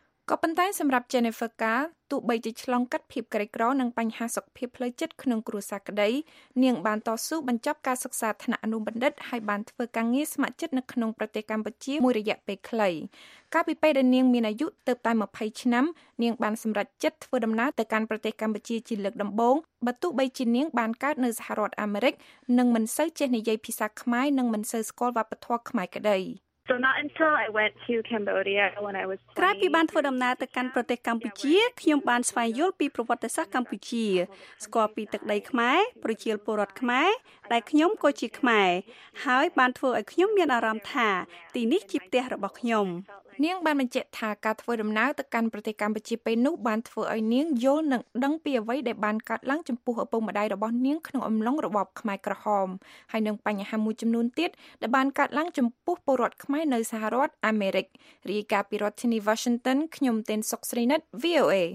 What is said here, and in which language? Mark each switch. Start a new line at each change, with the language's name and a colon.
Khmer: ក៏ប៉ុន្តែសម្រាប់ Jennifer Ka ទោះបីជាឆ្លងកាត់ភាពក្រីក្រនិងបញ្ហាសុខភាពផ្លូវចិត្តក្នុងគ្រួសារក្តីនាងបានតស៊ូបញ្ចប់ការសិក្សាថ្នាក់អនុបណ្ឌិតហើយបានធ្វើការងារស្ម័គ្រចិត្តនៅក្នុងប្រទេសកម្ពុជាមួយរយៈពេលខ្លីកាលពីពេលដែលនាងមានអាយុទើបតែ20ឆ្នាំនាងបានសម្រេចចិត្តធ្វើដំណើរទៅកាន់ប្រទេសកម្ពុជាជាលើកដំបូងបើទោះបីជានាងបានកើតនៅសហរដ្ឋអាមេរិកនិងមិនសូវចេះនិយាយភាសាខ្មែរនិងមិនសូវស្គាល់វប្បធម៌ខ្មែរក្តី
English: So not until I went to Cambodia when I was 20.
Khmer: ក្រោយពីបានធ្វើដំណើរទៅកាន់ប្រទេសកម្ពុជាខ្ញុំបានស្វែងយល់ពីប្រវត្តិសាស្ត្រកម្ពុជាស្គាល់ពីទឹកដីខ្មែរប្រជាពលរដ្ឋខ្មែរដែលខ្ញុំក៏ជាខ្មែរហើយបានធ្វើឲ្យខ្ញុំមានអារម្មណ៍ថាទីនេះជាផ្ទះរបស់ខ្ញុំ នាងបានបញ្ជាក់ថាការធ្វើដំណើរទៅកាន់ប្រទេសកម្ពុជាពេលនោះបានធ្វើឲ្យនាងយល់និងដឹងពីអ្វីដែលបានកើតឡើងចំពោះឪពុកម្ដាយរបស់នាងក្នុងអំឡុងរបបខ្មែរក្រហមហើយនឹងបញ្ហាមួយចំនួនទៀតដែលបានកើតឡើងចំពោះពលរដ្ឋខ្មែរនៅសហរដ្ឋអាមេរិករាយការណ៍ពីរដ្ឋធានី Washington ខ្ញុំទីនសុកស្រីណិត VOA